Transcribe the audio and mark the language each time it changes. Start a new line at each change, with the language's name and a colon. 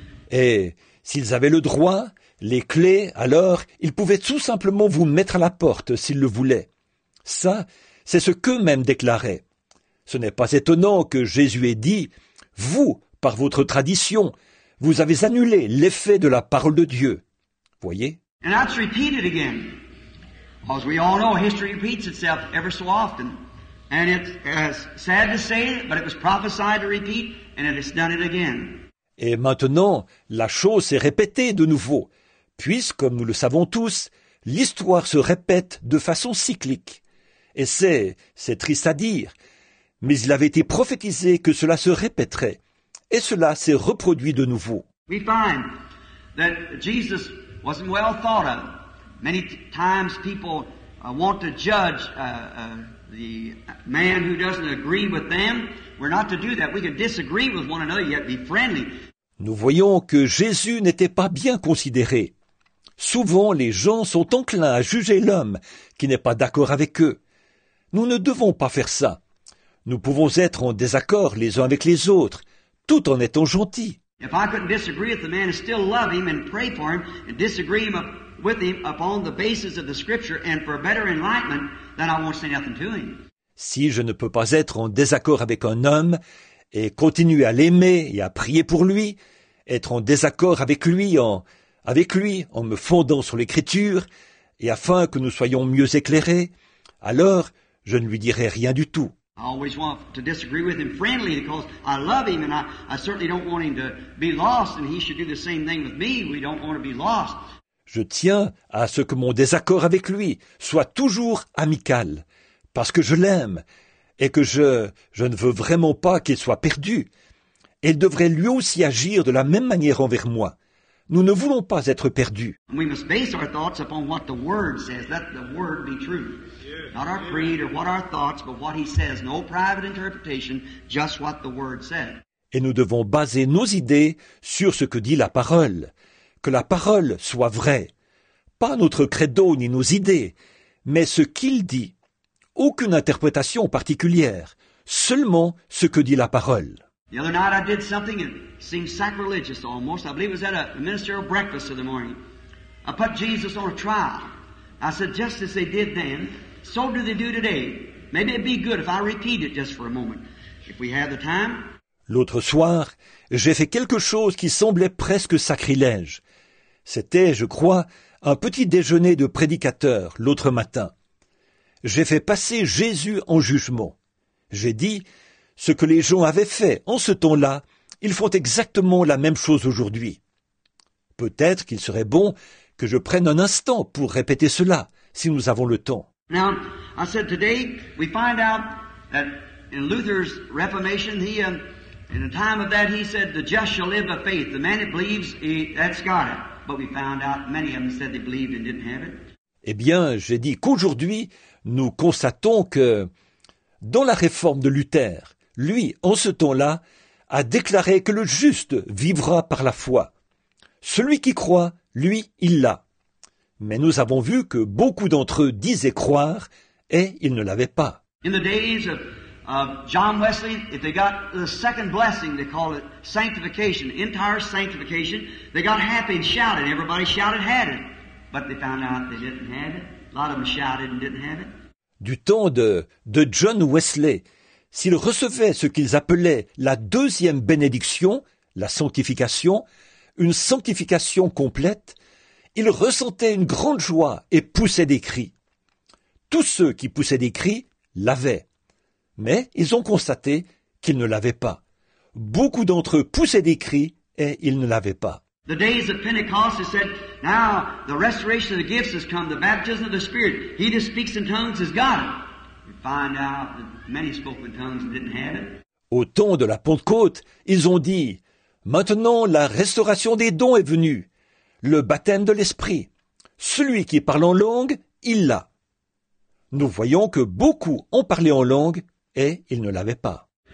French: Et s'ils avaient le droit, les clés, alors, ils pouvaient tout simplement vous mettre à la porte s'ils le voulaient. Ça, c'est ce qu'eux-mêmes déclaraient. Ce n'est pas étonnant que Jésus ait dit, « Vous, par votre tradition, vous avez annulé l'effet de la parole de Dieu. » Voyez ?
English: And that's repeated again. As we all know, history repeats itself ever so often. And it's sad to say, but it was prophesied to repeat, and it has done it again.
French: Et maintenant, la chose s'est répétée de nouveau, puisque, comme nous le savons tous, l'histoire se répète de façon cyclique. Et c'est triste à dire, mais il avait été prophétisé que cela se répéterait, et cela s'est reproduit de nouveau.
English: We find that Jesus wasn't well thought of. Many times people want to judge the man who doesn't agree with them. We're not to do that. We can disagree with one another, yet be friendly.
French: Nous voyons que Jésus n'était pas bien considéré. Souvent, les gens sont enclins à juger l'homme qui n'est pas d'accord avec eux. Nous ne devons pas faire ça. Nous pouvons être en désaccord les uns avec les autres, tout en étant gentils.
English: If I couldn't disagree with the man and still love him and pray for him and disagree with him upon the basis of the Scripture and for a better enlightenment, then I won't say nothing to him.
French: Si je ne peux pas être en désaccord avec un homme et continuer à l'aimer et à prier pour lui, être en désaccord avec lui en me fondant sur l'Écriture, et afin que nous soyons mieux éclairés, alors je ne lui dirai rien du tout.
English: I always want to disagree with him friendly because I love him and I certainly don't want him to be lost and he should do the same thing with me. We don't want to be lost.
French: Je tiens à ce que mon désaccord avec lui soit toujours amical parce que je l'aime et que je ne veux vraiment pas qu'il soit perdu. Il devrait lui aussi agir de la même manière envers moi. Nous ne voulons pas être perdus.
English: We must base our thoughts upon what the Word says. Let the Word be true. Not our creed or what our thoughts, but what he says. No private interpretation, just what the Word said.
French: Et nous devons baser nos idées sur ce que dit la parole. Que la parole soit vraie. Pas notre credo ni nos idées, mais ce qu'il dit. Aucune interprétation particulière. Seulement ce que dit la parole.
English: The other night I did something that seemed sacrilegious almost. I believe it was at a ministerial breakfast in the morning. I put Jesus on a trial. I said, just as they did then, so do they do today. Maybe it'd be good if I repeat it just for a moment, if we have the time.
French: L'autre soir, j'ai fait quelque chose qui semblait presque sacrilège. C'était, je crois, un petit déjeuner de prédicateur l'autre matin. J'ai fait passer Jésus en jugement. J'ai dit, ce que les gens avaient fait en ce temps-là, ils font exactement la même chose aujourd'hui. Peut-être qu'il serait bon que je prenne un instant pour répéter cela, si nous avons le temps.
English: Now, I said today, we find out that in Luther's Reformation, in the time of that, he said, the just shall live by faith. The man that believes, that's got it. But we found out many of them said they believed and didn't have it.
French: Eh bien, j'ai dit qu'aujourd'hui, nous constatons que dans la réforme de Luther, lui, en ce temps-là, a déclaré que le juste vivra par la foi. Celui qui croit, lui, il l'a. Mais nous avons vu que beaucoup d'entre eux disaient croire et ils ne l'avaient pas.
English: In the days of John Wesley, if they got the second blessing, they call it sanctification, entire sanctification, they got happy and shouted. Everybody shouted, had it. But they found out they didn't have it. A lot of them shouted and didn't have it.
French: Du temps de John Wesley, s'ils recevaient ce qu'ils appelaient la deuxième bénédiction, la sanctification, une sanctification complète, ils ressentaient une grande joie et poussaient des cris. Tous ceux qui poussaient des cris l'avaient, mais ils ont constaté qu'ils ne l'avaient pas. Beaucoup d'entre eux poussaient des cris et ils ne l'avaient pas.
English: The days of Pentecost, it said, now the restoration of the gifts has come, the baptism of the Spirit. He that speaks in tongues has got it. We find out that many spoke in tongues and didn't have it.
French: Au temps de la Pentecôte, ils ont dit, maintenant la restauration des dons est venue, le baptême de l'Esprit. Celui qui parle en langue, il l'a. Nous voyons que beaucoup ont parlé en langue et ils ne l'avaient pas.